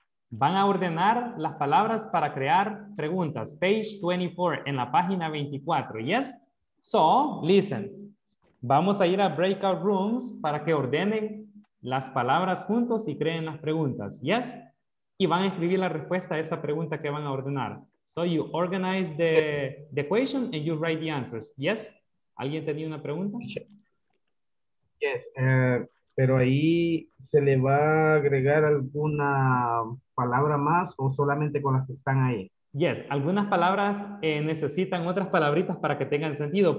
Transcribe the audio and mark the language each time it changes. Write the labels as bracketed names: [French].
[Spanish] Van a ordenar las palabras para crear preguntas. [English] Page 24, [Spanish] en la página 24, [English] yes? So, listen. [Spanish] Vamos a ir a breakout rooms para que ordenen las palabras juntos y creen las preguntas, yes? Y van a escribir la respuesta a esa pregunta que van a ordenar. [English] So you organize the question and you write the answers. [Spanish] Yes? ¿Alguien tenía una pregunta? [English] Yes. [Spanish] Pero ahí se le va a agregar alguna palabra más o solamente con las que están ahí. [English] Yes. [Spanish] Algunas palabras necesitan otras palabritas para que tengan sentido.